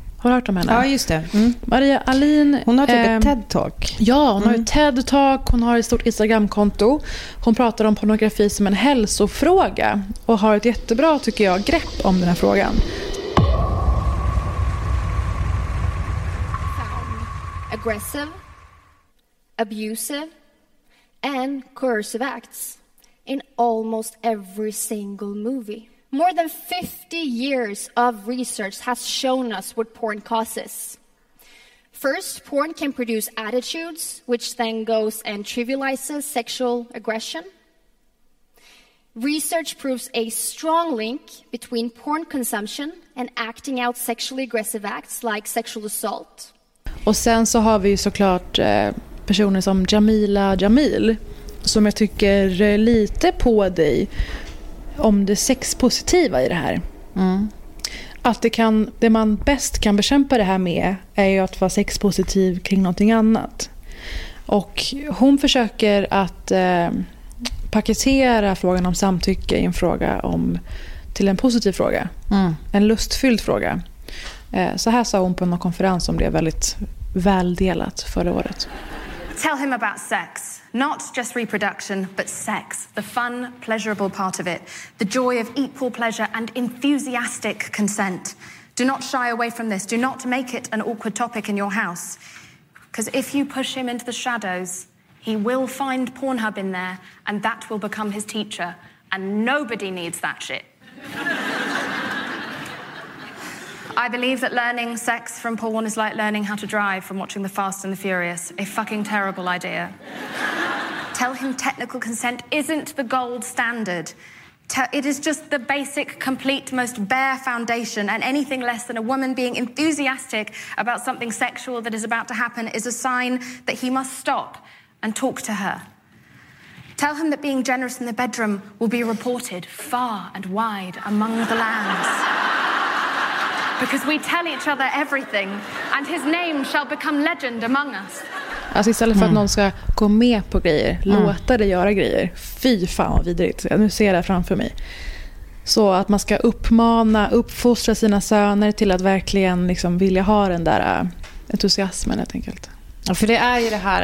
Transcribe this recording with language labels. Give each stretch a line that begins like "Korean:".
Swedish: Har du hört om henne? Ja, just det. Mm. Maria Alin. Hon har typ ett TED-talk. Ja, hon har ett TED-talk. Hon har ett stort Instagram-konto. Hon pratar om pornografi som en hälsofråga. Och har ett jättebra, tycker jag, grepp om den här frågan.
English: Aggressive, abusive and coercive acts in almost every single movie. More than 50 years of research has shown us what porn causes. First, porn can produce attitudes, which then goes and trivializes sexual aggression. Research proves a strong link between porn consumption and acting out sexually aggressive acts like sexual assault.
Swedish: Och sen så har vi ju såklart personer som Jamila Jamil, som jag tycker lite på dig om det sexpositiva i det här. Mm. Att det, kan, det man bäst kan bekämpa det här med är ju att vara sexpositiv kring någonting annat. Och hon försöker att paketera frågan om samtycke i en fråga om, till en positiv fråga. Mm. En lustfylld fråga. Så här sa hon på en konferens som blev väldigt väldelat förra året.
English: Tell him about sex. Not just reproduction, but sex. The fun, pleasurable part of it. The joy of equal pleasure and enthusiastic consent. Do not shy away from this. Do not make it an awkward topic in your house. Because if you push him into the shadows, he will find Pornhub in there and that will become his teacher. And nobody needs that shit. I believe that learning sex from porn is like learning how to drive from watching The Fast and the Furious. A fucking terrible idea. Tell him technical consent isn't the gold standard. It is just the basic, complete, most bare foundation. And anything less than a woman being enthusiastic about something sexual that is about to happen is a sign that he must stop and talk to her. Tell him that being generous in the bedroom will be reported far and wide among the lands. Because we tell each other everything and his name shall become legend among us.
Swedish: Alltså istället för att någon ska gå med på grejer, låta dig göra grejer. Fy fan vad vidrigt. Nu ser jag det framför mig. Så att man ska uppmana, uppfostra sina söner till att verkligen liksom vilja ha den där entusiasmen helt enkelt. Ja, för det är ju det här.